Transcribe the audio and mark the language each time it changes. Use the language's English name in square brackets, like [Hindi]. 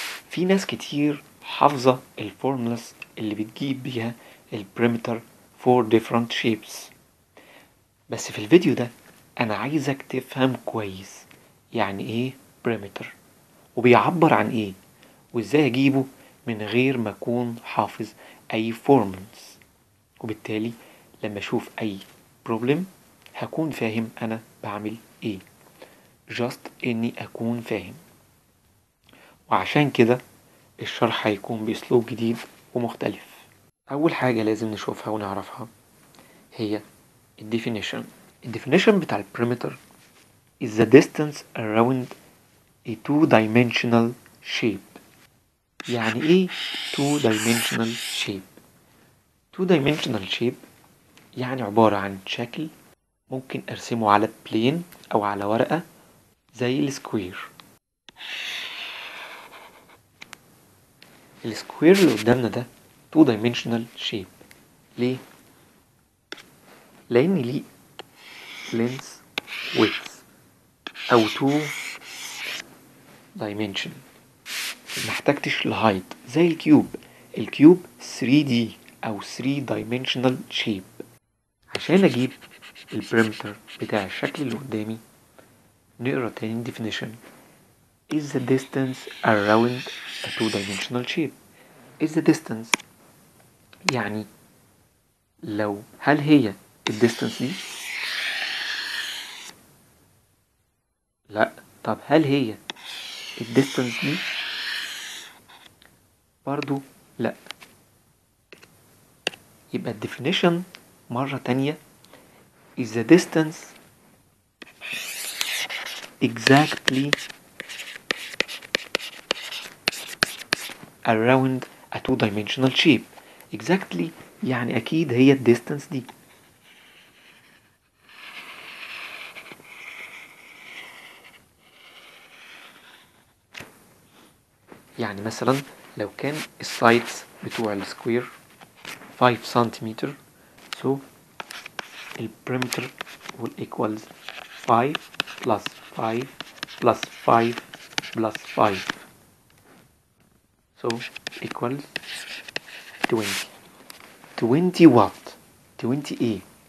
[Arabic] في ناس كتير حافظة الفورمولاس اللي بتجيب بيها البرامتر [English] for different shapes, [Arabic] بس في الفيديو ده أنا عايزك تفهم كويس يعني إيه برامتر وبيعبر عن ايه وازاي اجيبه من غير ما اكون حافظ اي فورمولاس، وبالتالي لما اشوف اي بروبلم هكون فاهم انا بعمل ايه، جاست اني اكون فاهم. وعشان كده الشرح هيكون باسلوب جديد ومختلف. اول حاجه لازم نشوفها ونعرفها هي الديفينيشن. الديفينيشن بتاع البريمتر [English] is the distance around a two-dimensional shape. [Arabic] يعني ايه two-dimensional shape؟ two-dimensional shape يعني عبارة عن شكل ممكن ارسمه على بلين او على ورقة زي السكوير. السكوير اللي قدامنا ده two-dimensional shape. ليه؟ لان ليه length width او two dimension، ما احتاجتش لهايت زي الكيوب. [English] الكيوب 3D او 3 dimensional shape. [Arabic] عشان اجيب البريمتر بتاع الشكل اللي قدامي نقرا تاني definition. [English] is the distance around a 2 dimensional shape. is the distance [Arabic] يعني لو هل هي الdistance دي؟ لا. طب هل هي الdistance دي؟ برضو لا. يبقى الdefinition مرة تانية [English] is the distance exactly around a two dimensional shape. [Arabic] exactly يعني أكيد هي الdistance دي. يعني مثلا لو كان السايدز بتوع السكوير 5 سنتيمتر، سو البريمتر [English] will equals 5 + 5 + 5 + 5 so equals 20 [Arabic] وات 20 ايه.